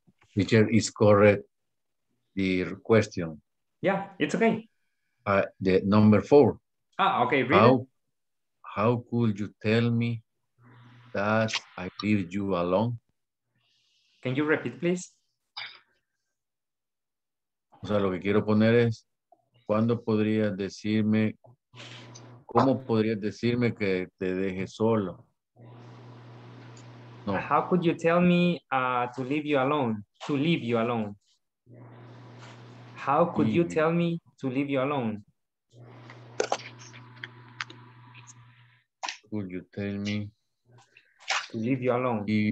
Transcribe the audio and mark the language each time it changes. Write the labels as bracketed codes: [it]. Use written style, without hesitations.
[en] Teacher, is correct the question? Yeah, it's okay. The number four. Ah, okay, read how, it. How could you tell me that I leave you alone? Can you repeat, please? [es] O sea, lo que quiero poner es, ¿cuándo podrías decirme, cómo podrías decirme que te deje solo? No. [en] How could you tell me to leave you alone? To leave you alone. How could you tell me to leave you alone? Could you tell me to leave you alone?